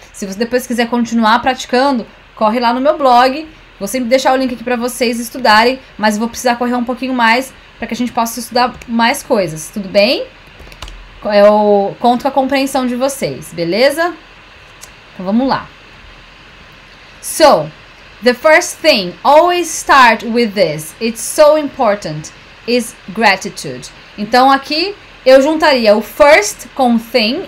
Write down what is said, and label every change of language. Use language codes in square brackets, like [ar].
[pt] Se você depois quiser continuar praticando, corre lá no meu blog. Vou sempre deixar o link aqui pra vocês estudarem, mas eu vou precisar correr um pouquinho mais pra que a gente possa estudar mais coisas, tudo bem? Eu conto com a compreensão de vocês, beleza? Então, vamos lá. [en] So, the first thing, always start with this. It's so important. Is gratitude. [pt] Então aqui eu juntaria o first com thing.